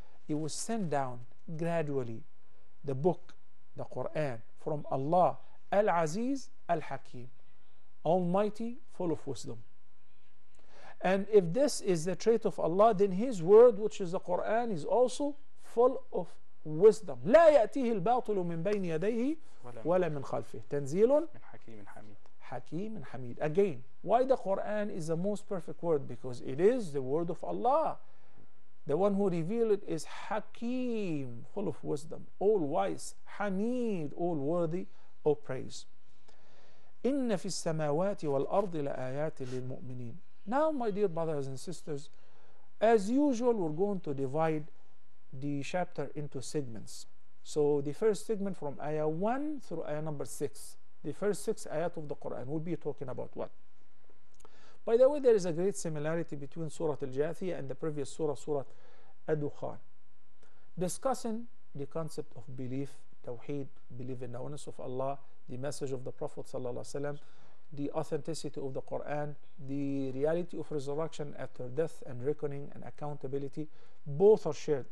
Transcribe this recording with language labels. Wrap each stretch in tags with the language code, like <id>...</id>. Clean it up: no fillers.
<en>It was sent down gradually, the book, the Quran, from Allah, Al-Aziz, Al-Hakim, Almighty, full of wisdom. And if this is the trait of Allah, then His word, which is the Quran, is also full of wisdom.</en> <ar>لا يأتيه الباطل من بين يديه ولا من خلفه. تنزيل من حكيم حميد. حكيم حميد.</ar> <en>Again, why the Quran is the most perfect word? Because it is the word of Allah. The one who revealed it is Hakim, full of wisdom, all wise, Hamid, all worthy of praise.</en> <ar>إن في السماوات والأرض لآيات للمؤمنين.</ar> <en>Now, my dear brothers and sisters, as usual, we're going to divide the chapter into segments. So the first segment from ayah 1 through ayah number 6, the first 6 ayat of the Quran, we'll be talking about what? By the way, there is a great similarity between Surah Al-Jathiyah and the previous Surah, Surah Ad-Dukhan, discussing the concept of belief, tawheed, belief in the oneness of Allah, the message of the Prophet sallallahu alaihi wasallam, the authenticity of the Quran, the reality of resurrection after death and reckoning and accountability. Both are shared.</en>